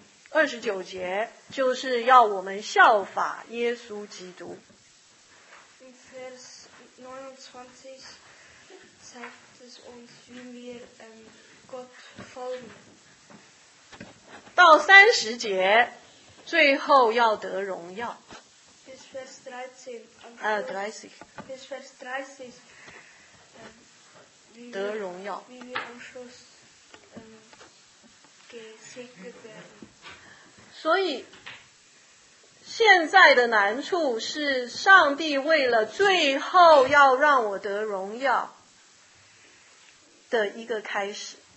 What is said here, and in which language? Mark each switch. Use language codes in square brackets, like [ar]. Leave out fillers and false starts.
[zh] 二十九节就是要我们效法耶稣基督。 [de] Vers 29 zeigt es uns, wie wir Gott folgen. [zh] 到三十节，最后要得荣耀。 [de] Bis Vers 13. 30. Bis Vers 30. [zh] 得荣耀。 [de] Wie wir am Schluss gesegnet werden. [zh] 所以现在的难处是上帝为了最后要让我得荣耀的一个开始。